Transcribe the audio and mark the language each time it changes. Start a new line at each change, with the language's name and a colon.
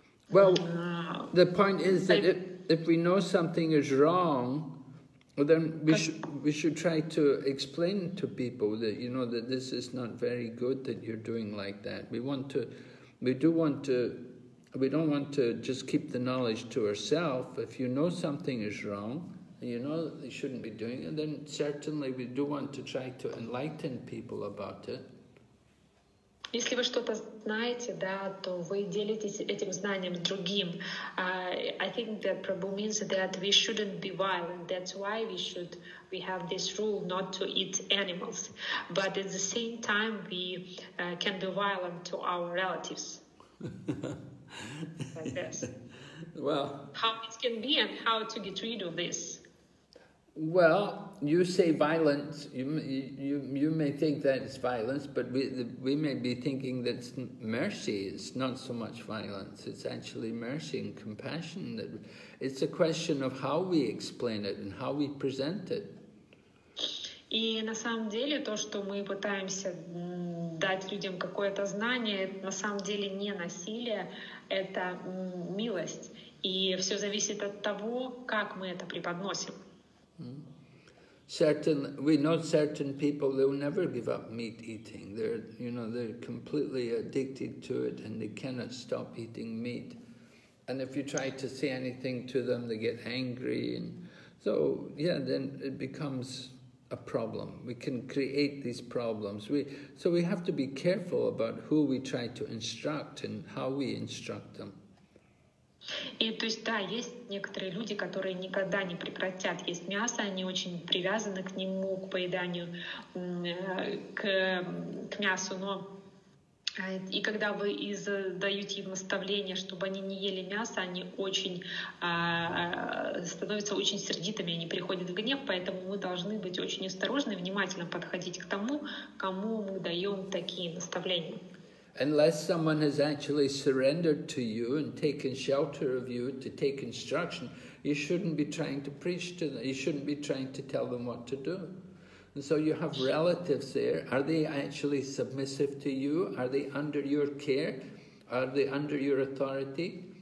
English: well, the point is that if we know something is wrong, well, then we should try to explain to people that, you know, that this is not very good that you're doing like that. We don't want to just keep the knowledge to ourselves. If you know something is wrong, you know you shouldn't be doing it, then certainly we do want to try to enlighten people about it.
Russian: Если вы что-то знаете, да, то вы делитесь этим знанием с другим.
English: I think that Prabhu means that we shouldn't be violent. That's why we have this rule not to eat animals. But at the same time, we can be violent to our relatives. Like this. Well, how it can be and how to get rid of this? Well, you say violence, you may think that's violence, but we may be thinking that's mercy. It's not so much violence, it's actually mercy and compassion. That it's a question of how we explain it and how we present it.
Russian: И на самом деле то, что мы пытаемся дать людям какое-то знание, на самом деле не насилие, это милость. И все зависит от того, как мы это преподносим.
English: Certain, we know certain people, they will never give up meat eating. They're, you know, they're completely addicted to it and they cannot stop eating meat. And if you try to say anything to them, they get angry. And so, yeah, then it becomes a problem. We can create these problems. So we have to be careful about who we try to instruct and how we instruct them.
Russian: И то есть да, есть некоторые люди, которые никогда не прекратят есть мясо, они очень привязаны к нему, к поеданию, к мясу, но и когда вы даете им наставление, чтобы они не ели мясо, они очень становятся очень сердитыми, они приходят в гнев, поэтому мы должны быть очень осторожны, внимательно подходить к тому, кому мы даем такие наставления.
English: Unless someone has actually surrendered to you and taken shelter of you to take instruction, you shouldn't be trying to preach to them. You shouldn't be trying to tell them what to do. And so you have relatives there. Are they actually submissive to you? Are they under your care? Are they under your authority?